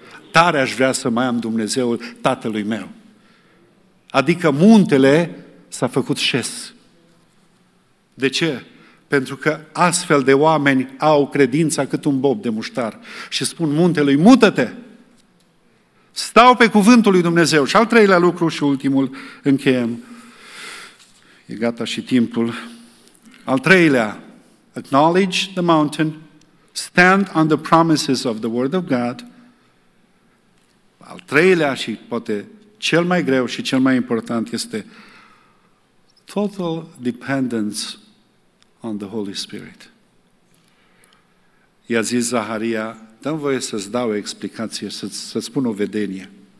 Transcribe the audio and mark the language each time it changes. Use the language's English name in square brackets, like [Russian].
[Romanian] Tare aș vrea să mai am Dumnezeul tatălui meu. Adică muntele s-a făcut șes. De ce? Pentru că astfel de oameni au credința cât un bob de muștar și spun muntelui, mută-te! Stau pe cuvântul lui Dumnezeu. Și al treilea lucru și ultimul, încheiem. E gata și timpul. Al treilea, [English] acknowledge the mountain, stand on the promises of the word of God. [Romanian] Al treilea și poate cel mai greu și cel mai important este [English] total dependence on the Holy Spirit. [Romanian] I-a zis Zaharia, dă-mi voie să-ți dau o explicație, să-ți spun o vedenie.